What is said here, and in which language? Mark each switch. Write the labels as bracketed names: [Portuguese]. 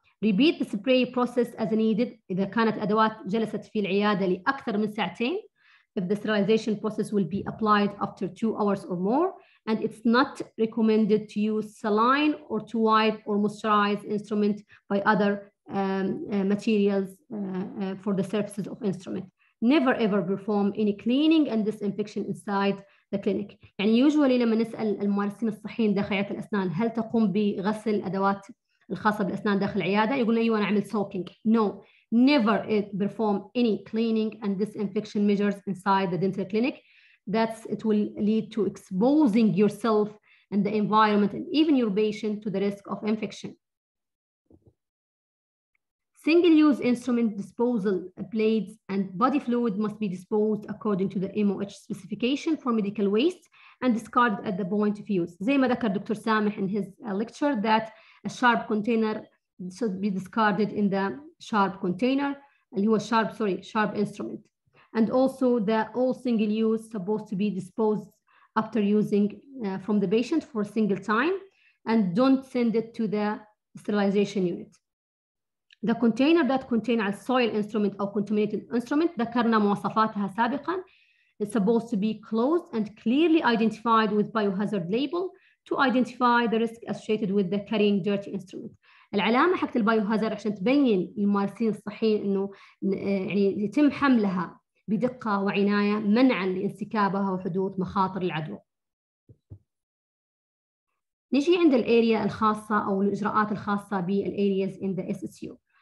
[English] Repeat the spray process as needed [Arabic] اذا كانت ادوات جلست في العياده لاكثر من ساعتين. [English] If the sterilization process will be applied after 2 hours or more and it's not recommended to use saline or to wipe or moisturize instrument by other materials for the surfaces of instrument. Never ever perform any cleaning and disinfection inside the clinic. [Arabic] يعني usually لما نسأل الممارسين الصحيين داخل عيادة الأسنان هل تقوم بغسل الأدوات الخاصة بالأسنان داخل العيادة؟ يقولون أيوة أنا أعمل soaking. [English] No. Never perform any cleaning and disinfection measures inside the dental clinic. That's it will lead to exposing yourself and the environment and even your patient to the risk of infection. Single-use instrument disposal blades and body fluid must be disposed according to the MOH specification for medical waste and discarded at the point of use. [Arabic] زي ما ذكر دكتور سامح [English] in his lecture that a sharp container should be discarded in the sharp container, and he was sharp, sorry, sharp instrument. And also the all single use supposed to be disposed after using from the patient for a single time and don't send it to the sterilization unit. The container that contain a soil instrument or contaminated instrument, [Arabic] ذكرنا مواصفاتها سابقا, [English] is supposed to be closed and clearly identified with biohazard label to identify the risk associated with the carrying dirty instrument. [Arabic] العلامة حقت البايوهازر عشان تبين للممارسين الصحيين انه يعني يتم حملها بدقة وعناية منعا لانسكابها وحدوث مخاطر العدوى. نجي عند الاريا الخاصة او الاجراءات الخاصة بالارياز [English] in the SSU.